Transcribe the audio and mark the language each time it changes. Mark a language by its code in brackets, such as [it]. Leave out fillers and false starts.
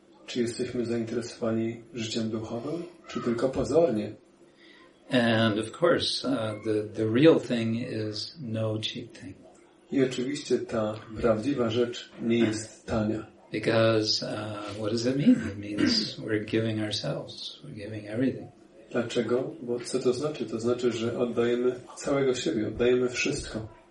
[pl] Czy jesteśmy zainteresowani życiem duchowym, czy tylko pozornie? [en] And of course, the real thing is no cheap thing. [pl] I oczywiście ta prawdziwa rzecz nie jest tania. [en] Because what does it mean? It means we're giving ourselves, we're giving everything. [pl] Dlaczego? Bo co to znaczy? To znaczy, że oddajemy całego siebie, oddajemy wszystko.